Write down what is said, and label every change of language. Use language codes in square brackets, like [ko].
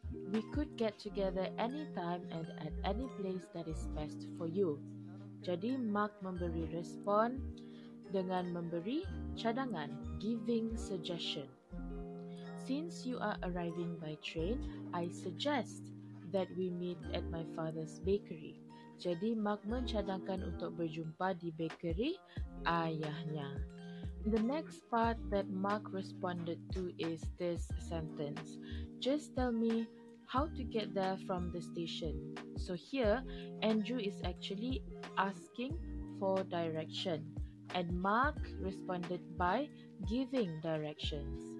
[en] We could get together anytime and at any place that is best for you. [ms] Jadi Mark memberi respon dengan memberi cadangan, [en] giving suggestion. Since you are arriving by train, I suggest that we meet at my father's bakery. [ms] Jadi Mark mencadangkan untuk berjumpa di bakery ayahnya. [en] The next part that Mark responded to is this sentence. Just tell me how to get there from the station. So here, Andrew is actually asking for direction. And Mark responded by giving directions.